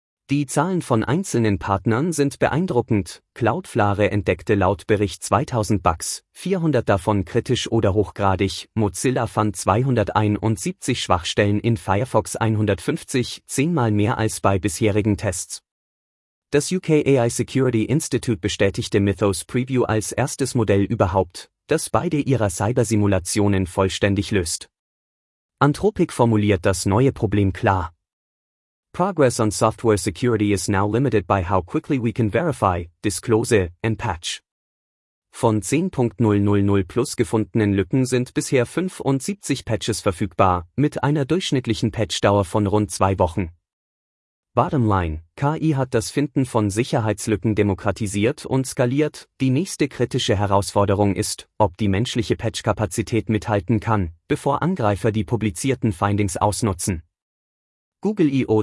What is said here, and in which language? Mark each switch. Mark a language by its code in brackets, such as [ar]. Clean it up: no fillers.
[de] Die Zahlen von einzelnen Partnern sind beeindruckend. Cloudflare entdeckte laut Bericht 2000 Bugs, 400 davon kritisch oder hochgradig, Mozilla fand 271 Schwachstellen in Firefox 150, 10-mal mehr als bei bisherigen Tests. Das UK AI Security Institute bestätigte Mythos Preview als erstes Modell überhaupt, das beide ihrer Cybersimulationen vollständig löst. Anthropic formuliert das neue Problem klar: [en] Progress on software security is now limited by how quickly we can verify, disclose, and patch. [de] Von 10.000 plus gefundenen Lücken sind bisher 75 Patches verfügbar, mit einer durchschnittlichen Patchdauer von rund 2 Wochen. [en] Bottom line, [de] KI hat das Finden von Sicherheitslücken demokratisiert und skaliert. Die nächste kritische Herausforderung ist, ob die menschliche Patchkapazität mithalten kann, bevor Angreifer die publizierten Findings ausnutzen. Google I.O.